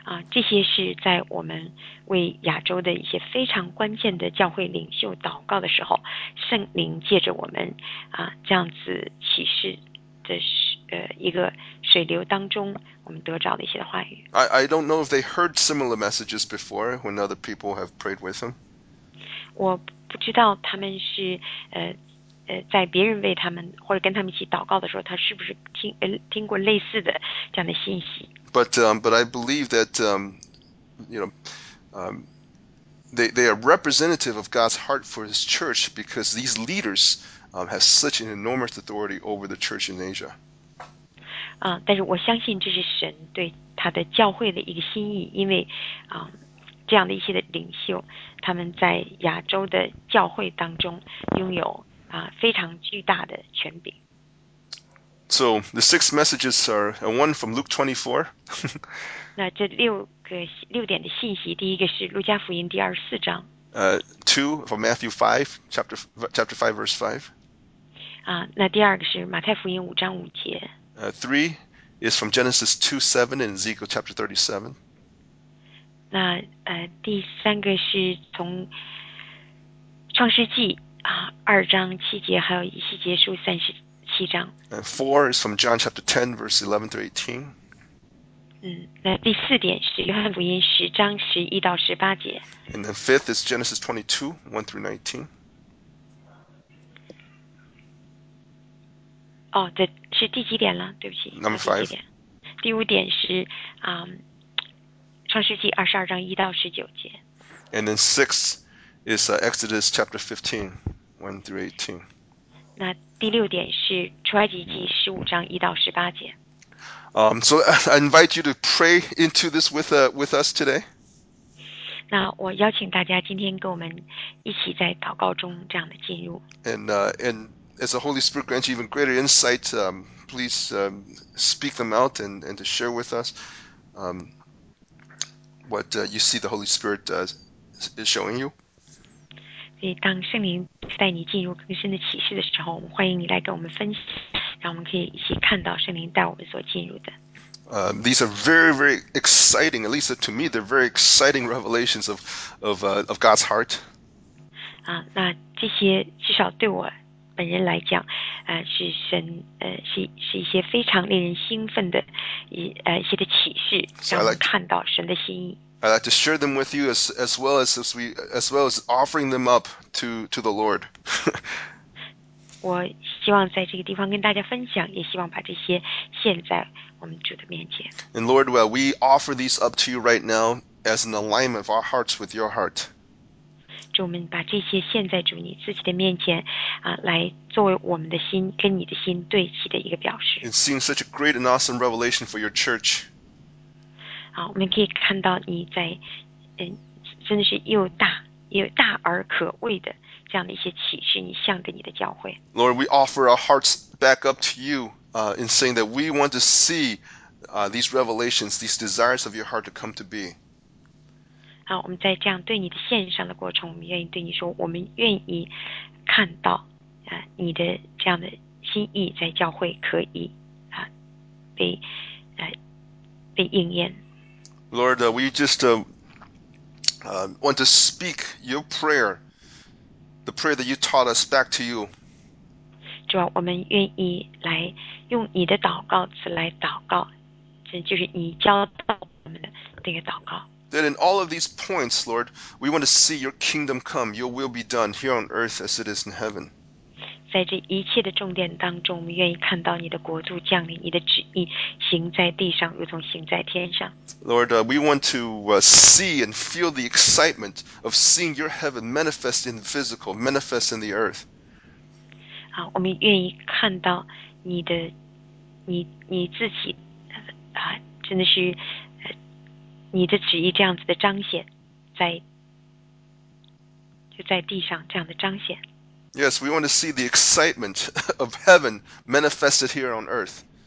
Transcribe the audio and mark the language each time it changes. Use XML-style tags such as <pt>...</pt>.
<zh>这些是在我们为亚洲的一些非常关键的教会领袖祷告的时候，圣灵借着我们这样子启示的一个水流当中，我们得着的一些话语。</zh> <en>I don't know if they heard similar messages before when other people have prayed with them.</en> <zh>我不知道他们是在别人为他们或者跟他们一起祷告的时候，他是不是听过类似的这样的信息。</zh> <en>But I believe that they are representative of God's heart for His church because these leaders have such an enormous authority over the church in Asia.</en> <zh>但是我相信这是神对他的教会的一个心意，因为这样的一些的领袖，他们在亚洲的教会当中拥有非常巨大的权柄。</zh> <en>So the six messages are one from Luke 24.</en> <zh>那这六点的信息，第一个是路加福音第24章。</zh> <en>Two from Matthew 5, chapter 5, verse 5.</en> <zh>那第二个是马太福音5章5节。</zh> <en>Three is from Genesis 2:7 and Ezekiel chapter 37.</en> <zh>那第三个是从创世纪2章7节，还有以西结书37章。</zh> <en>Four is from John chapter 10 verse 11-18.</en> <zh>那第四点是约翰福音10章11到18节。</zh> <en>And then fifth is Genesis 22:1-19.</en> <zh>哦，这是第几点了？对不起，</zh> <en>Number five.</en> <zh>第五点是创世纪22章1到19节。</zh> <en>And then six is Exodus chapter 15:1-18.</en> <zh>那第六点是出埃及记15章1到18节。</zh> <en>So I invite you to pray into this with us today.</en> <zh>那我邀请大家今天跟我们一起在祷告中这样的进入。</zh> <en>And as the Holy Spirit grants you even greater insight, please speak them out and to share with us what you see the Holy Spirit is showing you.</en> <zh>所以当圣灵带你进入更深的启示的时候，我们欢迎你来跟我们分析，让我们可以一起看到圣灵带我们所进入的。</zh> <en>These are very, very exciting, at least to me, they're very exciting revelations of God's heart.</en> <zh>那这些至少对我本人来讲，是神，是一些非常令人兴奋的一些的启示，让我们看到神的心意。</zh> <en>I'd like to share them with you as well as offering them up to the Lord.</en> <zh>我希望在这个地方跟大家分享，也希望把这些献在我们主的面前。</zh> <en>And Lord, well, we offer these up to you right now as an alignment of our hearts with your heart.</en> <zh>主，我们把这些献在主你自己的面前，来作为我们的心跟你的心对齐的一个表示。</zh> <en>And seeing such a great and awesome revelation for your church.</en> <zh>我们可以看到你在，真的是又大而可畏的这样的一些启示，你向着你的教会。</zh> <en>Lord, we offer our hearts back up to you in saying that we want to see these revelations, these desires of your heart to come to be.</en> <zh>好，我们在这样对你的献上的过程，我们愿意对你说，我们愿意看到你的这样的心意在教会可以被应验。</zh> <en>Lord, we just want to speak your prayer, the prayer that you taught us back to you.</en> <zh>主啊，我们愿意来用你的祷告词来祷告，这就是你教导我们的那个祷告。</zh> <en>That in all of these points, Lord, we want to see your kingdom come, your will be done here on earth as it is in heaven.</en> <zh>在这一切的重点当中，我们愿意看到你的国度降临，你的旨意行在地上，如同行在天上。</zh> <en>Lord, we want to see and feel the excitement of seeing your heaven manifest in the physical, manifest in the earth.</en> <zh>好，我们愿意看到你的，你自己，真的是。你的旨意这样子的彰显，就在地上这样的彰显。</zh> <en>Yes, we want to see the excitement of heaven manifested here on earth.</en>